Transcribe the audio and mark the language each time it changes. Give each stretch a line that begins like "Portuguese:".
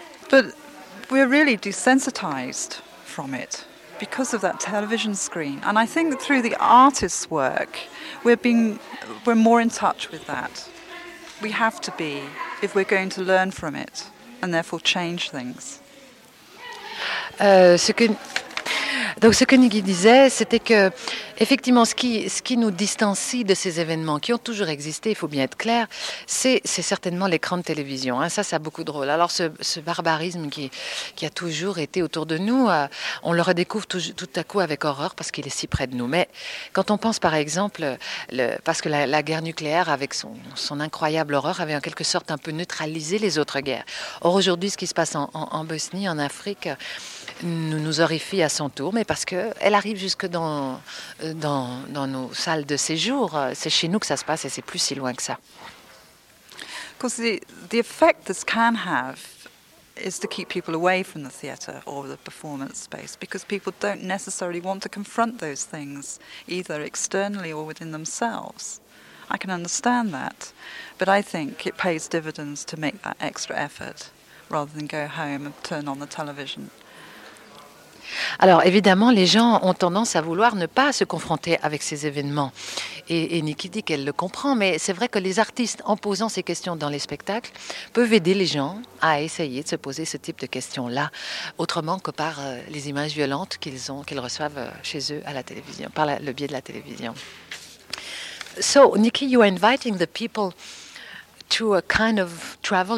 English: But we're really desensitized from it because of that television screen. And I think through the artist's work, we're more in touch with that. We have to be if we're going to learn from it and therefore change things.
French: Donc ce que Niki disait, c'était que effectivement, ce qui nous distancie de ces événements qui ont toujours existé, il faut bien être clair, c'est certainement l'écran de télévision. Hein, ça a beaucoup de rôle. Alors ce barbarisme qui a toujours été autour de nous, on le redécouvre tout à coup avec horreur parce qu'il est si près de nous. Mais quand on pense par exemple, parce que la guerre nucléaire avec son incroyable horreur avait en quelque sorte un peu neutralisé les autres guerres. Or aujourd'hui, ce qui se passe en Bosnie, en Afrique, nous horrifie à son tour, mais parce qu'elle arrive jusque dans nos salles de séjour. C'est chez nous que ça se passe et c'est plus si loin que ça.
English: Because the effect this can have is to keep people away from the theatre or the performance space because people don't necessarily want to confront those things either externally or within themselves. I can understand that, but I think it pays dividends to make that extra effort rather than go home and turn on the television.
French: Alors, évidemment, les gens ont tendance à vouloir ne pas se confronter avec ces événements. Et Niki dit qu'elle le comprend, mais c'est vrai que les artistes, en posant ces questions dans les spectacles, peuvent aider les gens à essayer de se poser ce type de questions-là, autrement que par les images violentes qu'ils reçoivent chez eux à la télévision, par le biais de la télévision.
English: So, Niki, you are inviting the people to a kind of travel.